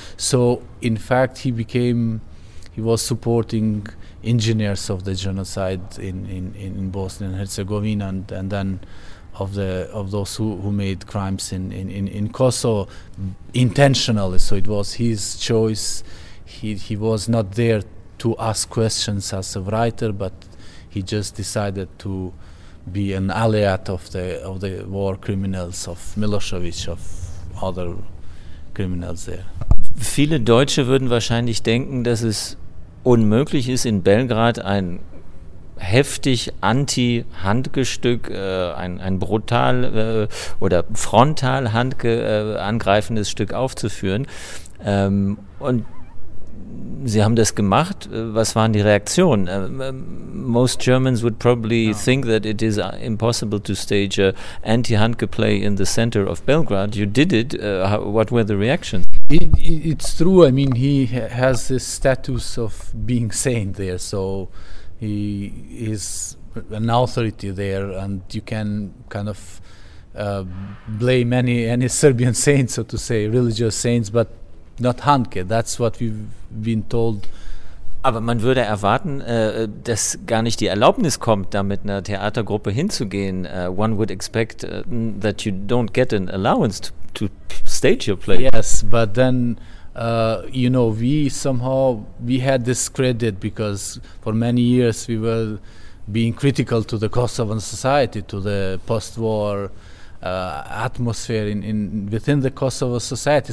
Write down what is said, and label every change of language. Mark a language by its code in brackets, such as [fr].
[en] So in fact, he was supporting engineers of the genocide in Bosnia and Herzegovina, and then of those who made crimes in Kosovo intentionally. So it was his choice. He was not there to ask questions as a writer, but he just decided to be an ally of the war criminals, of Milosevic, of other criminals there. [de] Viele Deutsche würden wahrscheinlich denken, dass es unmöglich ist, in Belgrad ein heftig anti-Handgestück, ein brutal oder frontal angreifendes Stück aufzuführen. Und Sie haben das gemacht. Was waren die Reaktionen? [en] Most Germans would probably think that it is impossible to stage an anti-Handke play in the center of Belgrade. You did it. What were the reactions? It's true. I mean, he has the status of being saint there, so he is an authority there, and you can kind of blame any Serbian saint, so to say, religious saints, but not Handke. That's what we've been told. [de] Aber man würde erwarten, dass gar nicht die Erlaubnis kommt, da mit einer Theatergruppe hinzugehen. [en] One would expect that you don't get an allowance to stage your play. Yes, but then, you know, we somehow, we had this credit because for many years we were being critical to the Kosovan society, to the post-war atmosphere in within the Kosovo society.